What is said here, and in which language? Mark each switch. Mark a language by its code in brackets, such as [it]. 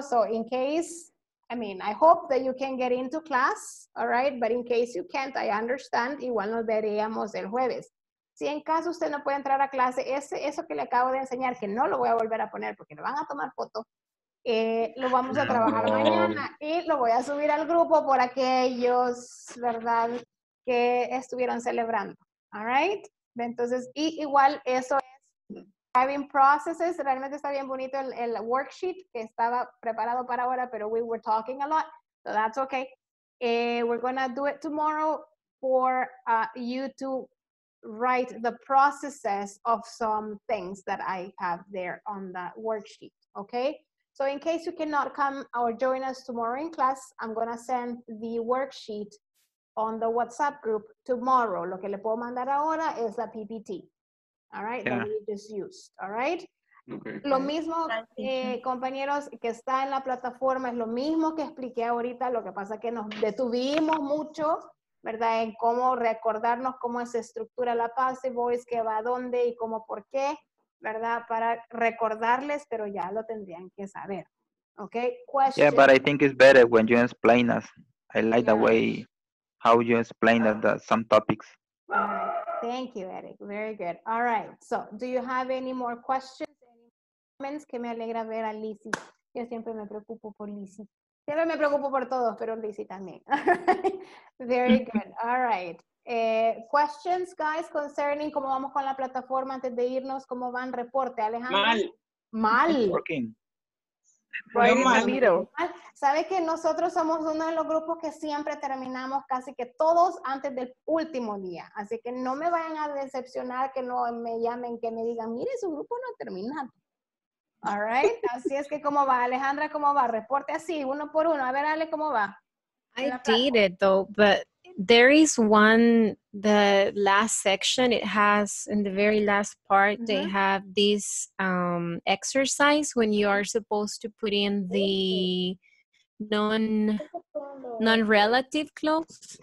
[en] So in case, I mean, I hope that you can get into class. All right. But in case you can't, I understand. [es] Igual nos veríamos el jueves. Si en caso usted no puede entrar a clase, ese, eso que le acabo de enseñar, que no lo voy a volver a poner porque le van a tomar foto, lo vamos a trabajar mañana y lo voy a subir al grupo por aquellos, ¿verdad?, que estuvieron celebrando. [en] All right? [es] Entonces, y igual eso es driving processes. Realmente está bien bonito el worksheet que estaba preparado para ahora, pero [en] we were talking a lot, so that's okay. We're going to do it tomorrow for you to write the processes of some things that I have there on that worksheet, okay? So in case you cannot come or join us tomorrow in class, I'm going to send the worksheet on the WhatsApp group tomorrow. [es] Lo que le puedo mandar ahora es la PPT, [en] all right? Yeah. That we just used, all right? Okay. [es] Lo mismo, compañeros, que está en la plataforma, es lo mismo que expliqué ahorita, lo que pasa que nos detuvimos mucho, ¿verdad? En cómo recordarnos cómo se estructura la passive voice, qué va a dónde y cómo por qué, ¿verdad? Para recordarles, pero ya lo tendrían que saber. ¿Ok? [en] Question. Yeah, but I think it's better when you explain us. I like the way how you explain us some topics. Thank you, Eric. Very good. All right. So, do you have any more questions? Any comments? [es] Que me alegra ver a Lizzie. Yo siempre me preocupo por Lizzie. Siempre me preocupo por todos, pero Lizzie también. [en] Very good. All right. Questions, guys, concerning [es] cómo vamos con la plataforma antes de irnos, cómo van, reporte, Alejandro. Mal. Mal. [en] Working. Right, [es] mal. ¿Sabes que nosotros somos uno de los grupos que siempre terminamos casi que todos antes del último día? Así que no me vayan a decepcionar que no me llamen, que me digan, mire, su grupo no ha terminado. [en] All right, [es] así es que ¿cómo va? Alejandra, ¿cómo va? Reporte así, uno por uno. A ver, Ale, ¿cómo va? [en] I did it, though, but there is one, the last section, it has, in the very last part, mm-hmm. they have this exercise when you are supposed to put in the non-relative clause.